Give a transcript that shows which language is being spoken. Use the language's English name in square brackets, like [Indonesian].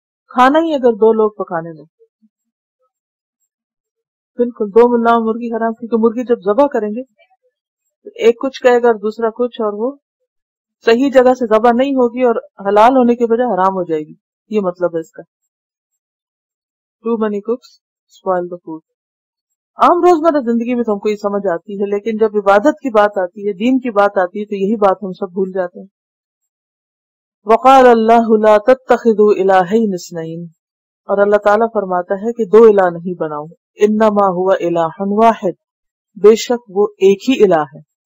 [Urdu] کھانا ہی اگر دو لوگ پکانے لگے، بالکل دو ملا مرغی حرام، کیونکہ مرغی جب ذبح کریں گے ایک کچھ کہے گا اور دوسرا کچھ، اور وہ صحیح جگہ سے ذبح نہیں ہوگی اور حلال ہونے کے بجائے حرام ہو جائے گی. یہ مطلب ہے اس کا. [English] Too many cooks spoil the food. [Urdu] عام روزمرہ زندگی میں تو ہم کو یہ سمجھ آتی ہے، لیکن جب عبادت کی بات آتی ہے، دین کی بات آتی ہے، تو یہی بات ہم سب بھول جاتے ہیں. [Arabic] وقال اللہ لا تتخذوا الہین اثنین، [Urdu] اور اللہ تعالیٰ فرماتا ہے کہ دو الہ نہیں بناؤ. [Arabic] انما ہوا الہ واحد، [Urdu] بے شک وہ ایک ہی الہ ہے.